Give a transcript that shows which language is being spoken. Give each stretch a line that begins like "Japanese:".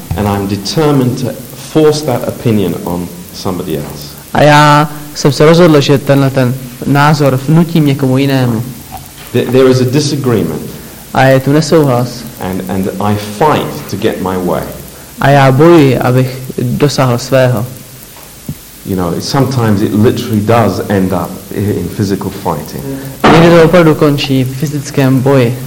English: And I'm determined to force that opinion on somebody else.
Czech: A já jsem se rozhodl, že tenhle ten názor vnutím někomu jinému.
English: There is a disagreement.
Czech: A je tu nesouhlas.
English: And I fight to get my way.
Czech: A já bojuji, abych dosáhl svého.
English: You know, sometimes it literally does end up in physical fighting.
Czech: Někdy to opravdu končí v fyzickém boji.